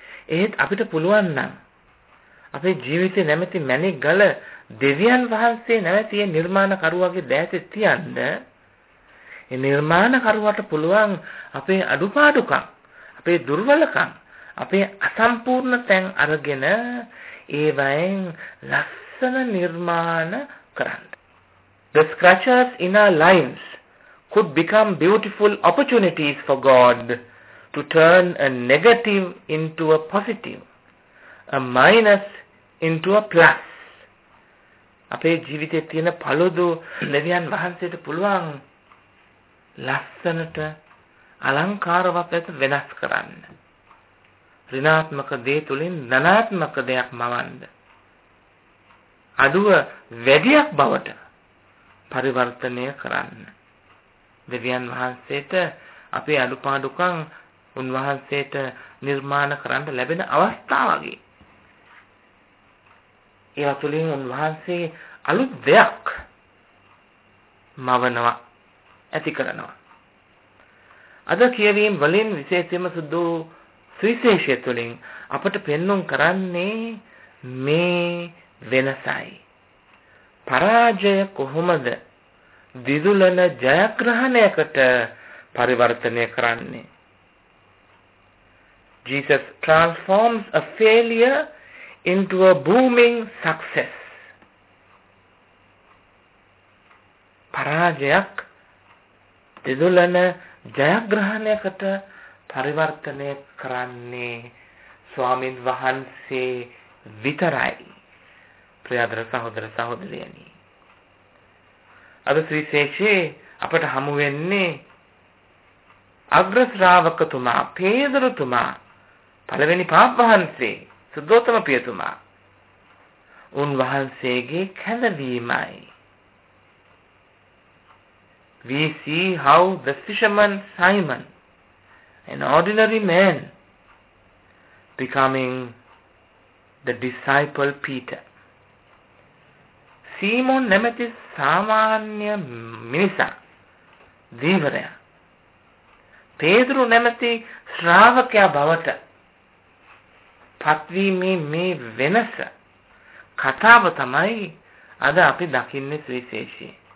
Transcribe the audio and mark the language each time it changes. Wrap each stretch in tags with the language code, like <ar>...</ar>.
<si>ඒත් අපිට පුළුවන් නම් අපේ ජීවිතේ නැමැති මැණික් ගල දෙවියන් වහන්සේ නැමැති ඒ නිර්මාණකරුවාගේ දෑතේ තියන්න, ඒ නිර්මාණකරුවාට පුළුවන් අපේ අඩුපාඩුකම්, අපේ දුර්වලකම්, අපේ අසම්පූර්ණ තැන් අරගෙන ඒවයින් ලස්සන නිර්මාණ කරන්න.</si> <en>The scratches in our lives could become beautiful opportunities for God to turn a negative into a positive, a minus into a plus.</en> <si>අපේ ජීවිතයේ තියෙන පළොදු දෙවියන් වහන්සේට පුළුවන් ලස්සනට අලංකාරවත් ඇත වෙනස් කරන්න. ඍණාත්මක දේ තුළින් ධනාත්මක දෙයක් මවන්න. අදුව වැඩියක් බවට පරිවර්තනය කරන්න. දෙවියන් වහන්සේට අපේ අලුපාඩුකම් උන්වහන්සේට නිර්මාණ කරන්න ලැබෙන අවස්ථාවගේ. ඒ තුළින් උන්වහන්සේ අලුත් දෙයක් මවනවා, ඇති කරනවා. අද කියවීම් වලින් විශේෂයෙන්ම සුදු සුවිශේෂය තුළින් අපට පෙන්නුම් කරන්නේ මේ වෙනසයි. පරාජය කොහොමද දිදුලන ජයග්‍රහණයකට පරිවර්තනය කරන්නේ?</si> <en>Jesus transforms a failure into a booming success.</en> <si>පරාජයක් දිදුලන ජයග්‍රහණයකට පරිවර්තනය කරන්නේ ස්වාමින් වහන්සේ විතරයි. ප්‍රියදර සහෝදර සහෝදරියනි, අද සුවිශේෂයේ අපට හමු වෙන්නේ අග්‍ර ශ්‍රාවකතුමා පේදුරුතුමා, පළවෙනි පාප් වහන්සේ සුද්ධෝත්තම පියතුමා, උන්වහන්සේගේ කැඳවීමයි.</si> <en>We see how the fisherman Simon, an ordinary man, becoming the disciple Peter.</en> <si>Simon නැමැති සාමාන්‍ය මිනිසා ධීවරයා, පේදුරු නැමැති ශ්‍රාවකයා බවට පත්වීමේ මේ වෙනස කතාව තමයි අද අපි දකින්නේ සුවිශේෂී.</si>